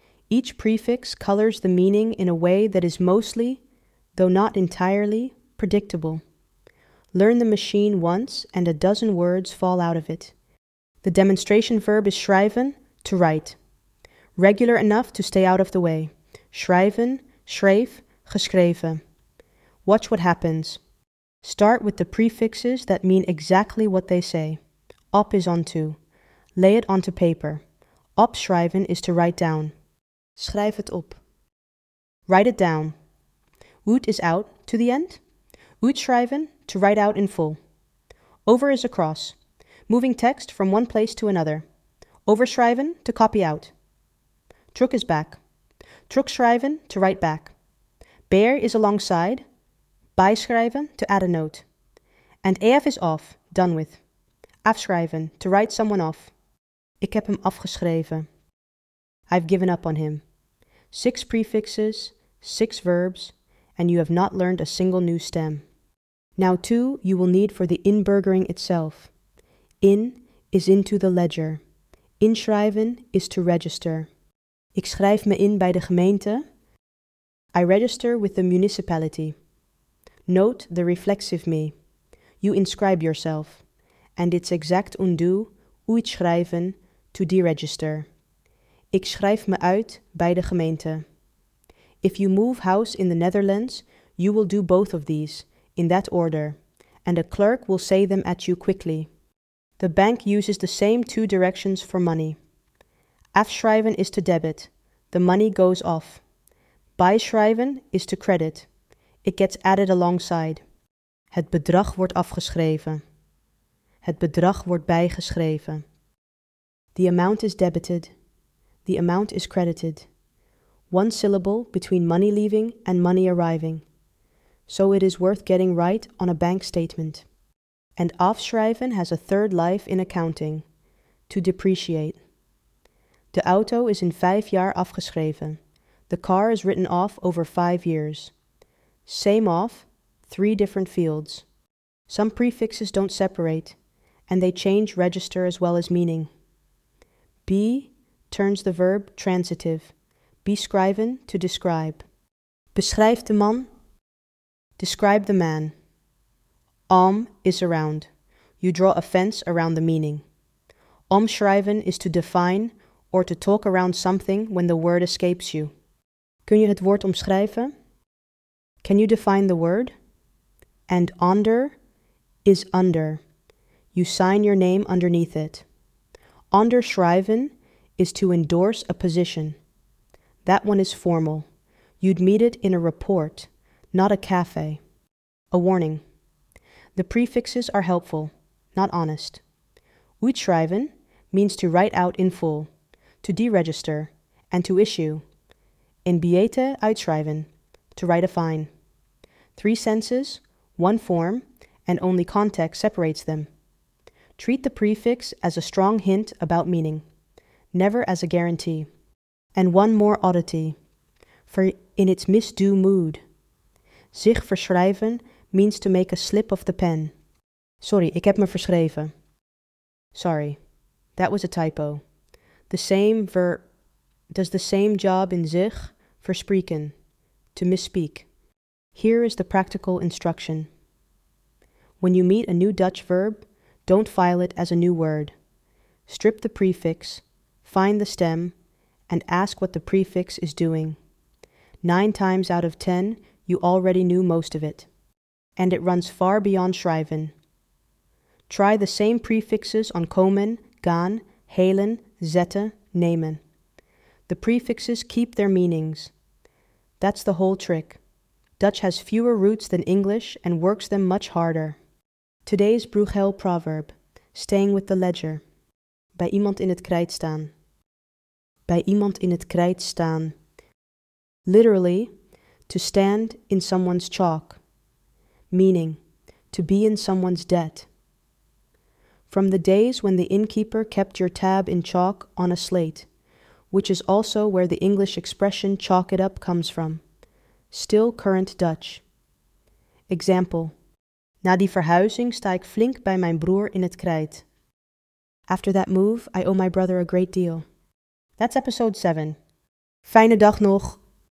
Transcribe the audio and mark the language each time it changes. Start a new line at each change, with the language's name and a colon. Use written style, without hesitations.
English: Each prefix colors the meaning in a way that is mostly, though not entirely, predictable. Learn the machine once, and a dozen words fall out of it. The demonstration verb is schrijven, to write. Regular enough to stay out of the way.
Dutch: Schrijven, schreef, geschreven.
English: Watch what happens. Start with the prefixes that mean exactly what they say. Op is onto. Lay it onto paper. Opschrijven is to write down.
Dutch: Schrijf het op.
English: Write it down. Uit is out, to the end. Uitschrijven, to write out in full. Over is across. Moving text from one place to another. Overschrijven, to copy out. Terug is back. Terugschrijven, to write back. Beer is alongside. Bijschrijven, to add a note. And AF is off, done with. Afschrijven, to write someone off.
Dutch: Ik heb hem afgeschreven.
English: I've given up on him. Six prefixes, six verbs, and you have not learned a single new stem. Now two you will need for the inburgering itself. In is into the ledger. Inschrijven is to register.
Dutch: Ik schrijf me in bij de gemeente.
English: I register with the municipality. Note the reflexive me. You inscribe yourself. And its exact undo, uitschrijven, to deregister.
Dutch: Ik schrijf me uit bij de gemeente.
English: If you move house in the Netherlands, you will do both of these, in that order, and a clerk will say them at you quickly. The bank uses the same two directions for money. Afschrijven is to debit. The money goes off. Bijschrijven is to credit. It gets added alongside.
Dutch: Het bedrag wordt afgeschreven. Het bedrag wordt bijgeschreven.
English: The amount is debited. The amount is credited. One syllable between money leaving and money arriving. So it is worth getting right on a bank statement. And afschrijven has a third life in accounting. To depreciate.
Dutch: De auto is in 5 jaar afgeschreven.
English: The car is written off over 5 years. Same off, three different fields. Some prefixes don't separate, and they change register as well as meaning. B turns the verb transitive. Beschrijven, to describe.
Dutch: Beschrijf de man.
English: Describe the man. Om is around. You draw a fence around the meaning. Omschrijven is to define or to talk around something when the word escapes you.
Dutch: Kun je het woord omschrijven?
English: Can you define the word? And onder is under. You sign your name underneath it. Onderschrijven is to endorse a position. That one is formal. You'd meet it in a report, not a cafe. A warning. The prefixes are helpful, not honest. Uitschrijven means to write out in full, to deregister, and to issue.
Dutch: In biete uitschrijven,
English: to write a fine. Three senses, one form, and only context separates them. Treat the prefix as a strong hint about meaning, never as a guarantee. And one more oddity, for in its misdo mood. Zich verschrijven means to make a slip of the pen.
Dutch: Sorry, ik heb me verschreven.
English: Sorry, that was a typo. The same verb does the same job in zich verspreken, to misspeak. Here is the practical instruction. When you meet a new Dutch verb, don't file it as a new word. Strip the prefix, find the stem, and ask what the prefix is doing. 9 times out of 10, you already knew most of it. And it runs far beyond schrijven. Try the same prefixes on komen, gaan, halen, zetten, nemen. The prefixes keep their meanings. That's the whole trick. Dutch has fewer roots than English and works them much harder. Today's Brughel proverb, staying with the ledger.
Dutch: Bij iemand in het krijt staan. Bij iemand in het krijt staan.
English: Literally, to stand in someone's chalk. Meaning, to be in someone's debt. From the days when the innkeeper kept your tab in chalk on a slate, which is also where the English expression chalk it up comes from. Still current Dutch. Example.
Dutch: Na die verhuizing sta ik flink bij mijn broer in het krijt.
English: After that move, I owe my brother a great deal. That's episode 7.
Dutch: Fijne dag nog.